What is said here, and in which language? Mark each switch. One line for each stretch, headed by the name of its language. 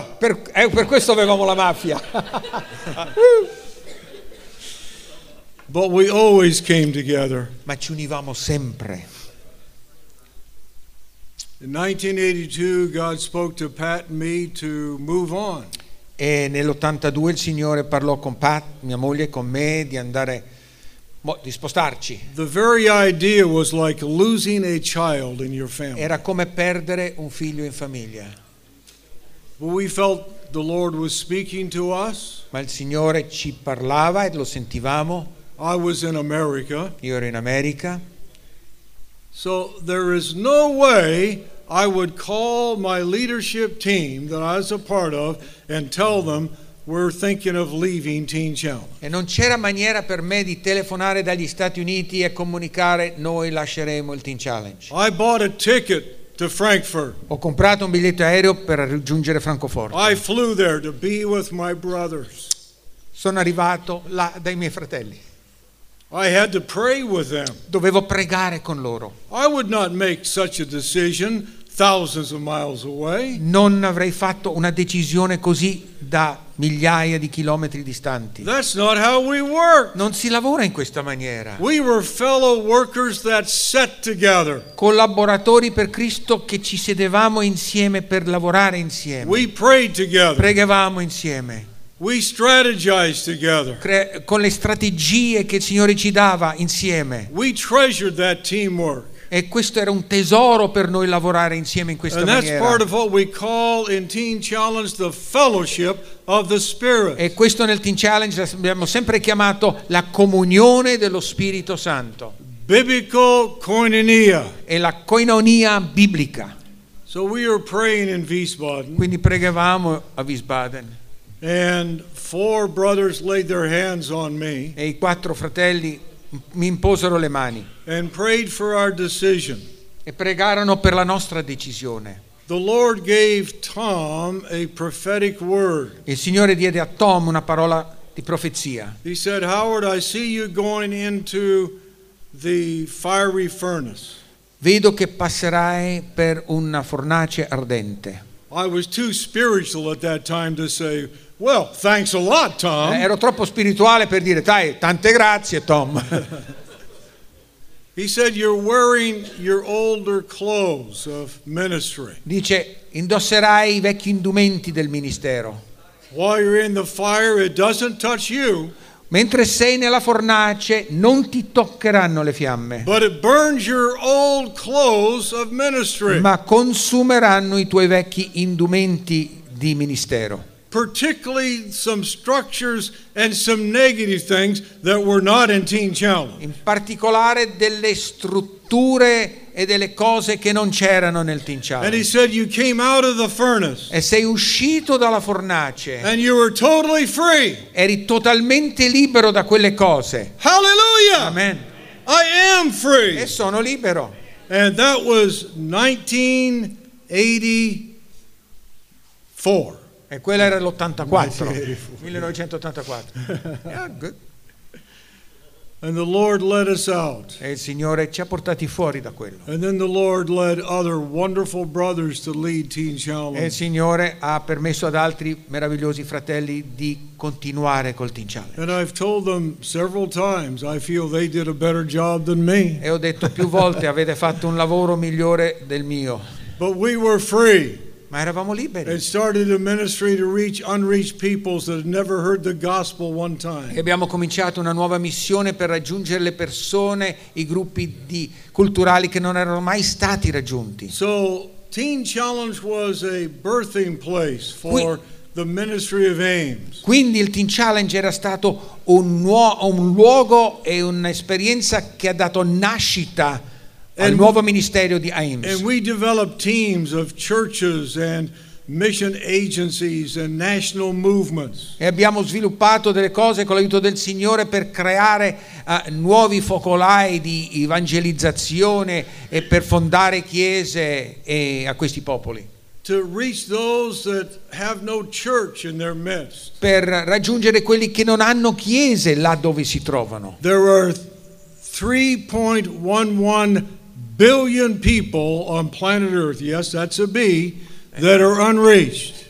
Italian: Per questo avevamo la mafia.
English: But we always came together.
Italian: Ma ci univamo sempre.
English: In 1982, God spoke to Pat and me to move on.
Italian: E nell'82 il Signore parlò con Pat, mia moglie, con me di andare. Di spostarci.
English: The very idea was like losing a child in your family.
Italian: Era come perdere un figlio in famiglia.
English: But we felt the Lord was speaking to us.
Italian: Ma il Signore ci parlava e lo sentivamo.
English: I was in America.
Italian: Io ero in America.
English: So there is no way I would call my leadership team that I was a part of and tell them we're thinking of leaving Teen Challenge.
Italian: E non c'era maniera per me di telefonare dagli Stati Uniti e comunicare noi lasceremo il Teen Challenge.
English: I bought a ticket to Frankfurt.
Italian: Ho comprato un biglietto aereo per raggiungere Francoforte.
English: I flew there to be with my brothers.
Italian: Sono arrivato là dai miei fratelli.
English: I had to pray with them.
Italian: Dovevo pregare con loro.
English: I would not make such a decision thousands of miles away.
Italian: Non avrei fatto una decisione così da migliaia di chilometri distanti.
English: That's not how we work.
Italian: Non si lavora in questa maniera.
English: We were fellow workers that sat together.
Italian: Collaboratori per Cristo che ci sedevamo insieme per lavorare insieme.
English: We prayed together.
Italian: Pregavamo insieme.
English: We strategized together.
Italian: Con le strategie che il Signore ci dava insieme.
English: We treasured that teamwork.
Italian: E questo era un tesoro per noi lavorare insieme in questa
English: and
Italian: maniera.
English: That's part of what we call in Teen Challenge the fellowship of the Spirit.
Italian: E questo nel Teen Challenge abbiamo sempre chiamato la comunione dello Spirito Santo.
English: Biblical koinonia.
Italian: E la koinonia biblica.
English: So we were praying in Wiesbaden.
Italian: Quindi pregavamo a Wiesbaden.
English: And four brothers laid their hands on me.
Italian: E I quattro fratelli mi imposero le mani.
English: And prayed for our decision.
Italian: E pregarono per la nostra decisione.
English: The Lord gave Tom a prophetic word.
Italian: Il Signore diede a Tom una parola di profezia.
English: He said, Howard, I see you going into the fiery furnace.
Italian: Vedo che passerai per una fornace ardente.
English: I was too spiritual at that time to say, "Well, thanks a lot, Tom."
Italian: Ero troppo spirituale per dire, "Dai, tante grazie, Tom."
English: He said, "You're wearing your older clothes of ministry."
Italian: Dice, indosserai I vecchi indumenti del ministero.
English: While you're in the fire, it doesn't touch you.
Italian: Mentre sei nella fornace, non ti toccheranno le fiamme.
English: But it burns your old clothes of ministry.
Italian: Ma consumeranno i tuoi vecchi indumenti di ministero.
English: Particularly some structures and some negative things that were not in Teen Challenge.
Italian: In particolare delle strutture e delle cose che non c'erano nel Teen Challenge.
English: And he said you came out of the furnace.
Italian: E sei uscito dalla fornace.
English: And you were totally free.
Italian: Eri totalmente libero da quelle cose.
English: Hallelujah.
Italian: Amen.
English: I am free.
Italian: E sono libero.
English: And that was 1984.
Italian: E quella era l'84. 1984.
English: And the Lord led us out.
Italian: E il Signore ci ha portati fuori da quello.
English: And then the Lord led other wonderful brothers to lead Teen Challenge.
Italian: E il Signore ha permesso ad altri meravigliosi fratelli di continuare col Teen Challenge.
English: And I've told them several times, I feel they did a better job than me.
Italian: E ho detto più volte, avete fatto un lavoro migliore del mio.
English: But we were free.
Italian: Ma eravamo liberi.
English: It started a ministry to reach unreached peoples that had never heard the gospel one time.
Italian: E abbiamo cominciato una nuova missione per raggiungere le persone, i gruppi di culturali che non erano mai stati raggiunti.
English: So Teen Challenge was a birthing place for the ministry of AIMS.
Italian: Quindi il Teen Challenge era stato un luogo e un'esperienza che ha dato nascita al nuovo ministero di AIMS.
English: And we developed teams of churches and mission agencies and national movements.
Italian: E abbiamo sviluppato delle cose con l'aiuto del Signore per creare nuovi focolai di evangelizzazione e per fondare chiese a questi popoli.
English: To reach those that have no church in their midst.
Italian: Per raggiungere quelli che non hanno chiese là dove si trovano.
English: There are 3.11 billion people on planet Earth, yes, that's a B, that are unreached.